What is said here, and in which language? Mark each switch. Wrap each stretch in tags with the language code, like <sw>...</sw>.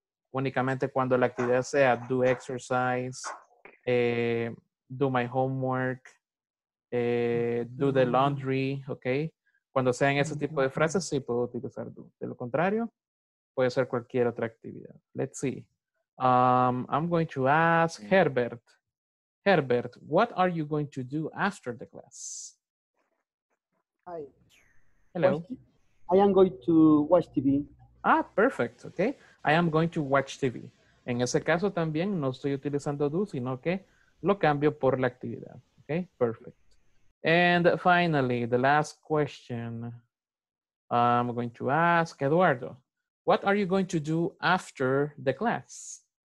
<es>Únicamente cuando la actividad sea</es> <en>do exercise, do my homework, do the laundry, ¿ok?</en> <es>Cuando sean ese tipo de frases, sí puedo utilizar do. De lo contrario, puede ser cualquier otra actividad.</es> <en>Let's see. I'm going to ask Herbert. Herbert, what are you going to do after the class? Hi. Hello. I am going to watch TV. Ah, perfect, ok. I am going to watch TV.</en> <es>En ese caso también no estoy utilizando do, sino que lo cambio por la actividad.</es> <en>Ok, perfect. And finally, the last question I'm going to ask Eduardo. What are you going to do after the class?</en>